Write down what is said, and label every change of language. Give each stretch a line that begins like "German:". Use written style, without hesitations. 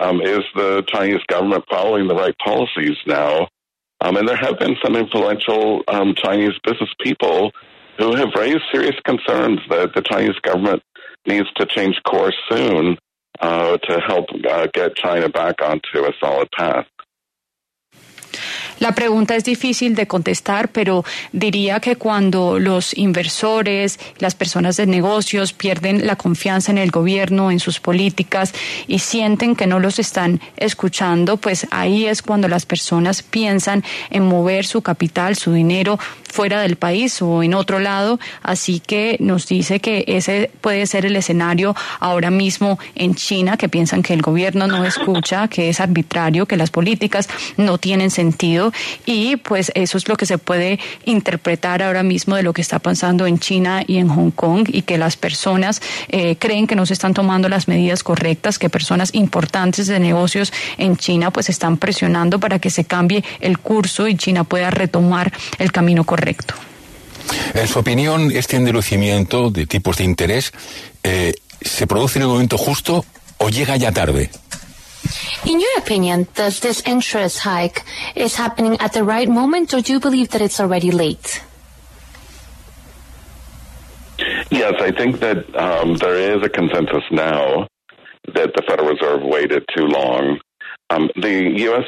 English: Is the Chinese government following the right policies now? And there have been some influential Chinese business people who have raised serious concerns that the Chinese government needs to change course soon to help get China back onto a solid path.
Spanish: La pregunta es difícil de contestar, pero diría que cuando los inversores, las personas de negocios pierden la confianza en el gobierno, en sus políticas y sienten que no los están escuchando, pues ahí es cuando las personas piensan en mover su capital, su dinero fuera del país o en otro lado. Así que nos dice que ese puede ser el escenario ahora mismo en China, que piensan que el gobierno no escucha, que es arbitrario, que las políticas no tienen sentido, y pues eso es lo que se puede interpretar ahora mismo de lo que está pasando en China y en Hong Kong, y que las personas creen que no se están tomando las medidas correctas, que personas importantes de negocios en China pues están presionando para que se cambie el curso y China pueda retomar el camino correcto. En su opinión, este endurecimiento de tipos de interés ¿se produce en el momento justo o llega ya tarde?
English: In your opinion, does this interest hike is happening at the right moment, or do you believe that it's already late? Yes, I think that there is a consensus now that the Federal Reserve waited too long. The U.S.